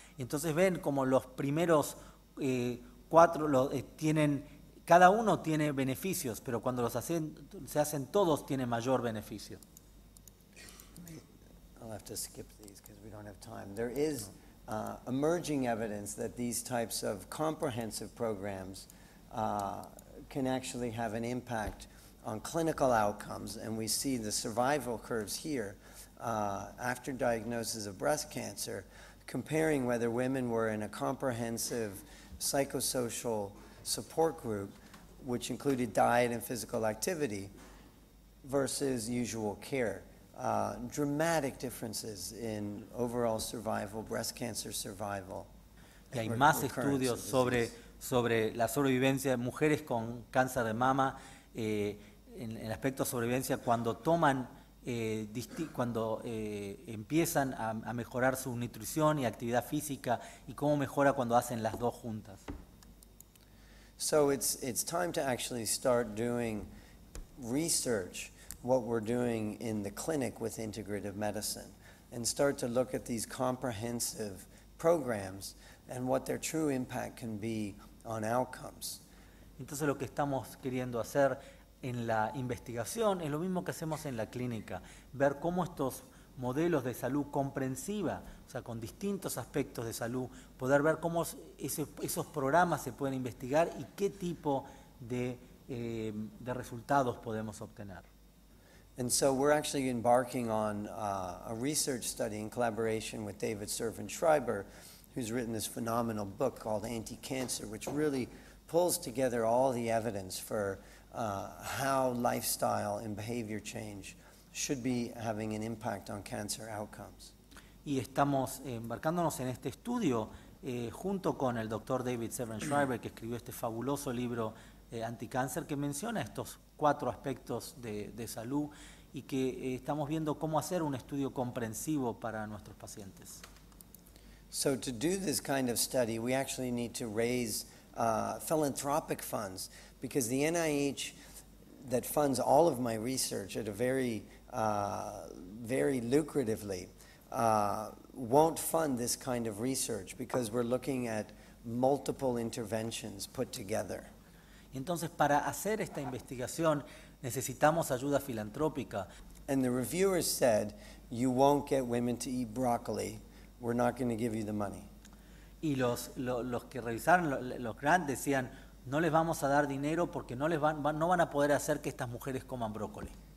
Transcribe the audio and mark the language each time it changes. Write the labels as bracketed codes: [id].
[es] Entonces, ven como los primeros cuatro tienen, cada uno tiene beneficios, pero cuando los hacen, se hacen todos, tiene mayor beneficio. [en] I'll have to skip these because we don't have time. There is emerging evidence that these types of comprehensive programs can actually have an impact on clinical outcomes, and we see the survival curves here after diagnosis of breast cancer, comparing whether women were in a comprehensive psychosocial support group, which included diet and physical activity, versus usual care. Dramatic differences in overall survival, breast cancer survival. [es] Y hay más estudios sobre la sobrevivencia de mujeres con cáncer de mama en el aspecto de sobrevivencia cuando toman empiezan a mejorar su nutrición y actividad física y cómo mejora cuando hacen las dos juntas. [en] So it's time to actually start doing research, what we're doing in the clinic with integrative medicine, and start to look at these comprehensive programs and what their true impact can be on outcomes. [es] Entonces lo que estamos queriendo hacer en la investigación es lo mismo que hacemos en la clínica, ver cómo estos modelos de salud comprensiva, o sea, con distintos aspectos de salud, poder ver cómo esos programas se pueden investigar y qué tipo de resultados podemos obtener. [en] And so we're actually embarking on a research study in collaboration with David Servan-Schreiber, who's written this phenomenal book called Anti-Cancer, which really pulls together all the evidence for how lifestyle and behavior change should be having an impact on cancer outcomes. [es] Y estamos embarcándonos en este estudio junto con el doctor David Servan-Schreiber, que escribió este fabuloso libro Anti-Cancer, que menciona estos cuatro aspectos de salud y que estamos viendo cómo hacer un estudio comprensivo para nuestros pacientes. [en] So to do this kind of study, we actually need to raise philanthropic funds, because the NIH that funds all of my research at a very, very lucratively won't fund this kind of research, because we're looking at multiple interventions put together. [es] Y entonces, para hacer esta investigación, necesitamos ayuda filantrópica. [en] And the reviewers said, you won't get women to eat broccoli. We're not going to give you the money. [es] Y los que revisaron, los grants decían, no les vamos a dar dinero porque no van a poder hacer que estas mujeres coman brócoli.